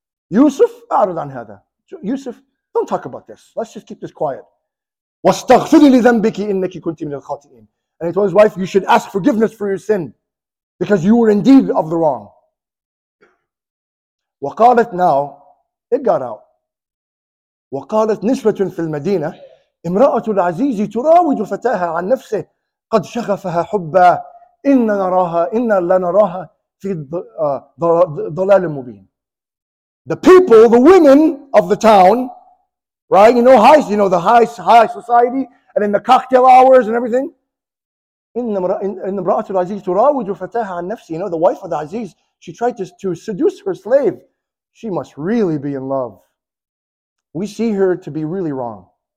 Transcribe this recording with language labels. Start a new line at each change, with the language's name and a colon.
English: Yusuf,
Arabic: أعرض عن هذا.
English: Yusuf, don't talk about this. Let's just keep this quiet.
Arabic: وَاسْتَغْفِرِ لِذَنْبِكِ إِنَّكِ كُنْتِ مِنَ الْخَاطِئِينَ.
English: And he told his wife, you should ask forgiveness for your sin, because you were indeed of the wrong. وَقَالَتْ now, it got out.
Arabic: وَقَالَتْ نِسْوَةٌ فِي الْمَدِينَةِ امرأة العزيز تراود فتاها عن نفسه قد شغفها حبا إننا لنراها في ضلال مبين.
English: The people, the women of the town, right? You know, high, you know, the high society, and in the cocktail hours and everything.
Arabic: إن امرأة العزيز تراود فتاها عن نفسه.
English: You know, the wife of the Aziz, she tried to seduce her slave. She must really be in love. We see her to be really wrong.